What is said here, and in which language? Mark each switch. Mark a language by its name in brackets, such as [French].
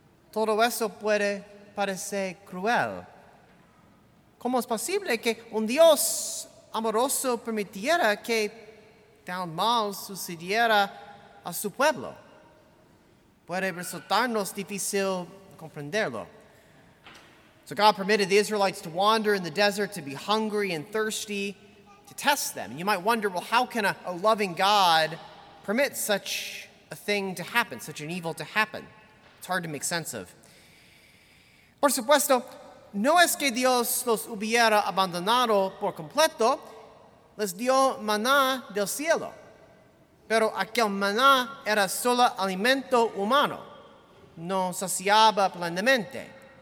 [Spanish] Todo eso puede parecer cruel. ¿Cómo es posible que un Dios amoroso permitiera que tan mal sucediera a su pueblo? Puede resultarnos difícil comprenderlo. [English] So God permitted the Israelites to wander in the desert, to be hungry and thirsty, to test them. And you might wonder, well, how can a loving God permit such a thing to happen, such an evil to happen? It's hard to make sense of. [Spanish] Por supuesto, no es que Dios los hubiera abandonado por completo, les dio maná del cielo. Pero aquel maná era solo alimento humano, no saciaba plenamente.